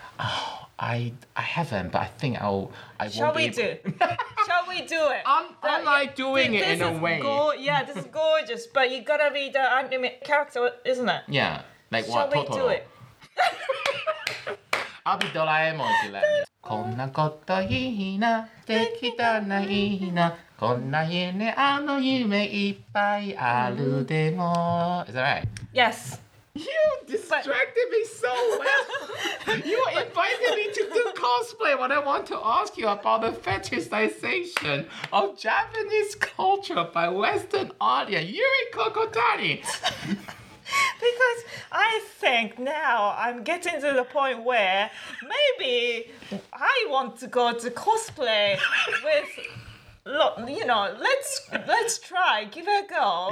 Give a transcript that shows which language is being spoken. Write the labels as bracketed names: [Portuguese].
[English] Oh, I haven't, but I think I'll. Shall we do it? I'm doing it in a way. Yeah, this is gorgeous, but you gotta be the anime character, isn't it? Yeah. Like, shall what? Shall we Totoro. Do it? I'll be Doraemon, if you let me. [Japanese] こんなこといいな、できたらいいな、こんな夢、あの夢いっぱいあるでも。 [English] Is that right? Yes. You distracted me so well. You invited me to do cosplay when I want to ask you about the fetishization of Japanese culture by Western audience. Yuriko Kotani. Because I think now I'm getting to the point where maybe I want to go to cosplay with, you know, let's try, give it a go.